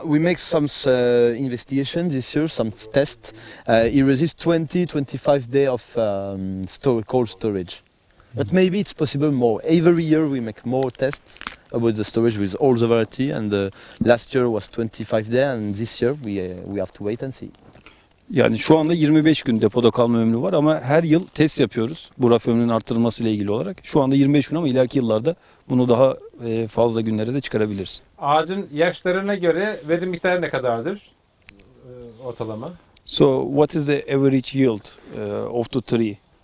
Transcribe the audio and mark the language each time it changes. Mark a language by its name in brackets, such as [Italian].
[English] We make some investigation this year, some test. It resists 20-25 days of cold storage. But maybe it's possible more. Every year we make more tests about the storage with all the variety, and last year was 25 days, and this year we have to wait and see. [Turkish] Yani şu anda 25 gün depoda kalma ömrü var ama her yıl test yapıyoruz bu raf ömrünün arttırılması ile ilgili olarak. Şu anda 25 gün ama ileriki yıllarda bunu daha fazla günlere de çıkarabiliriz. Ağacın yaşlarına göre verim miktarı ne kadardır ortalama? [English] So what is the average yield of the tree?